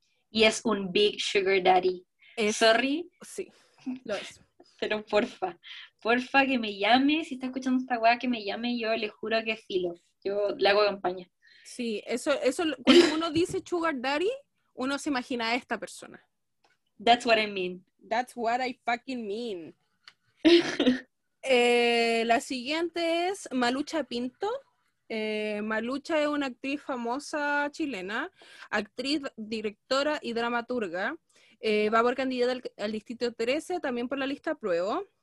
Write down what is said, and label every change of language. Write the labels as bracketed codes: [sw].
[es] Y es un big sugar daddy. Es, sorry. Sí, lo es. Pero porfa, porfa que me llame, si está escuchando esta weá, que me llame, yo le juro que filo, yo le hago campaña. Sí, eso cuando uno dice sugar daddy, uno se imagina a esta persona. [en] That's what I mean. That's what I fucking mean. [es] la siguiente es Malucha Pinto. Malucha es una actriz famosa chilena, actriz, directora y dramaturga. Va por candidata al distrito 13, también por la lista apruebo.